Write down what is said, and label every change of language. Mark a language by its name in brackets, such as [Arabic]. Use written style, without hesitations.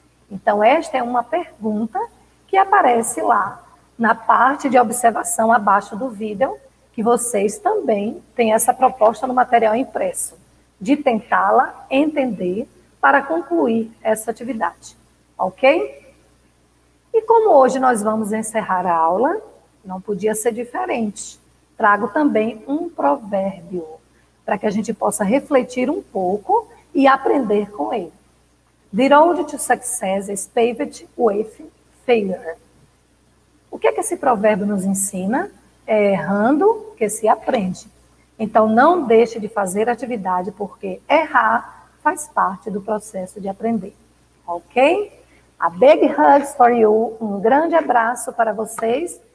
[Portuguese] Então, esta é uma pergunta que aparece lá na parte de observação abaixo do vídeo, que vocês também têm essa proposta no material impresso, de tentá-la entender para concluir essa atividade. Ok? E como hoje nós vamos encerrar a aula, não podia ser diferente. Trago também um provérbio, para que a gente possa refletir um pouco e aprender com ele. [English] The road to success is paved with failure. [Portuguese] O que é que esse provérbio nos ensina? É errando que se aprende. Então não deixe de fazer atividade, porque errar faz parte do processo de aprender. Ok? [English] A big hugs for you. [Portuguese] Um grande abraço para vocês.